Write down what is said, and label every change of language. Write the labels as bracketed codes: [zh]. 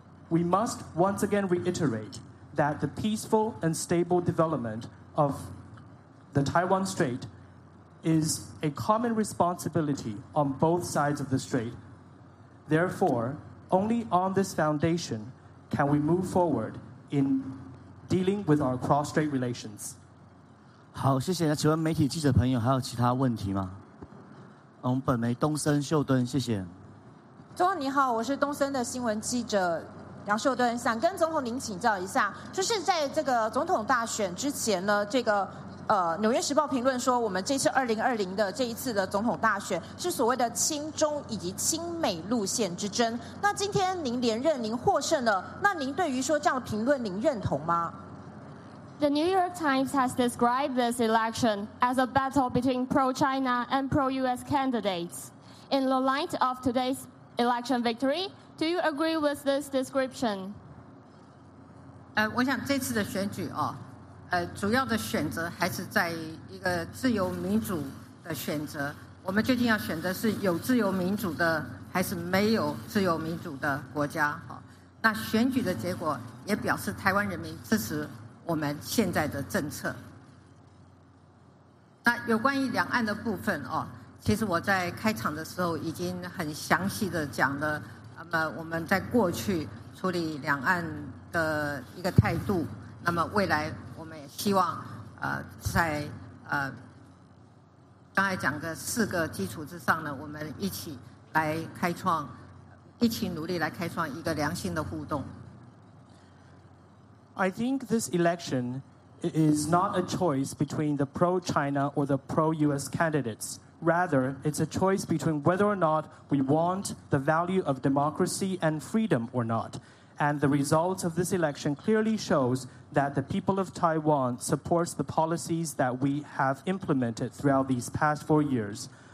[en] We must once again reiterate that the peaceful and stable development of the Taiwan Strait is a common responsibility on both sides of the Strait. Therefore, only on this foundation can we move forward in dealing with our cross-strait relations. [zh] 好，谢谢。请问媒体记者朋友还有其他问题吗？我们本媒东森秀敦，谢谢。总统你好，我是东森的新闻记者杨秀敦，想跟总统您请教一下，就是在这个总统大选之前呢，这个《纽约时报》评论说，我们这次2020的这一次的总统大选是所谓的亲中以及亲美路线之争。那今天您连任，您获胜了，那您对于说这样的评论，您认同吗？ [en] The New York Times has described this election as a battle between pro-China and pro-US candidates. In the light of today's election victory, do you agree with this description? [zh] 我想这次的选举哦，主要的选择还是在一个自由民主的选择。我们究竟要选择是有自由民主的，还是没有自由民主的国家？那选举的结果也表示台湾人民支持我们现在的政策。那有关于两岸的部分哦，其实我在开场的时候已经很详细的讲了，那么我们在过去处理两岸的一个态度，那么未来我们也希望在刚才讲的四个基础之上呢，我们一起来开创，一起努力来开创一个良性的互动。 [en] I think this election is not a choice between the pro-China or the pro-US candidates. Rather, it's a choice between whether or not we want the value of democracy and freedom or not. And the results of this election clearly shows that the people of Taiwan supports the policies that we have implemented throughout these past 4 years.